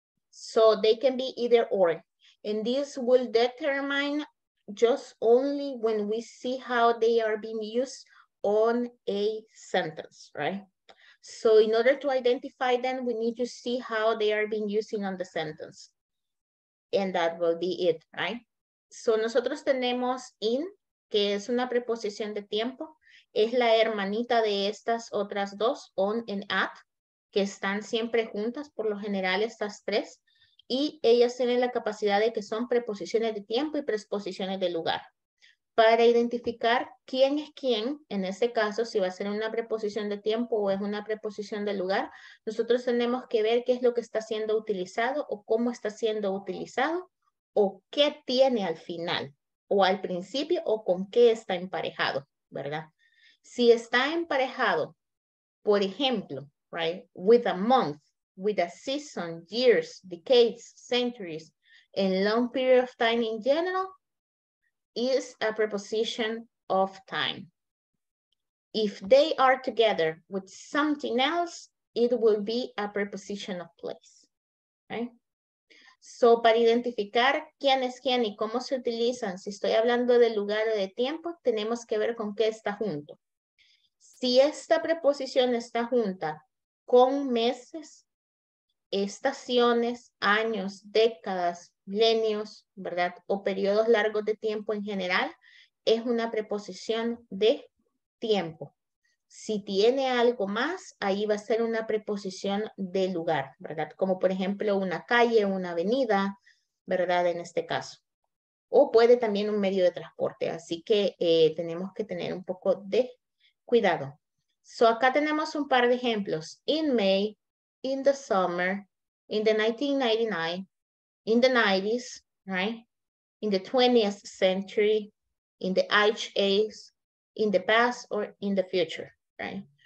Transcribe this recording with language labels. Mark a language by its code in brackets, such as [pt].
[en] So they can be either or. And this will determine just only when we see how they are being used on a sentence, right? So in order to identify them, we need to see how they are being used on the sentence. And that will be it, right? So [es] nosotros tenemos [en] in [es] que es una preposición de tiempo, es la hermanita de estas otras dos, on and at, que están siempre juntas, por lo general estas tres, y ellas tienen la capacidad de que son preposiciones de tiempo y preposiciones de lugar. Para identificar quién es quién, en ese caso, si va a ser una preposición de tiempo o es una preposición de lugar, nosotros tenemos que ver qué es lo que está siendo utilizado o cómo está siendo utilizado o qué tiene al final o al principio o con qué está emparejado, ¿verdad? Si está emparejado, por ejemplo, [en] right, with a month, with a season, years, decades, centuries, and long period of time in general, is a preposition of time. If they are together with something else, it will be a preposition of place. Okay? [es] So, para identificar quién es quién y cómo se utilizan, si estoy hablando de lugar o de tiempo, tenemos que ver con qué está junto. Si esta preposición está junta con meses, estaciones, años, décadas, milenios, ¿verdad? O periodos largos de tiempo en general, es una preposición de tiempo. Si tiene algo más, ahí va a ser una preposición de lugar, ¿verdad? Como por ejemplo una calle, una avenida, ¿verdad? En este caso. O puede también un medio de transporte. Así que tenemos que tener un poco de cuidado. So acá tenemos un par de ejemplos. [en] In May, in the summer, in the 1999, in the 90s, right? In the 20th century, in the age, in the past, or in the future, right?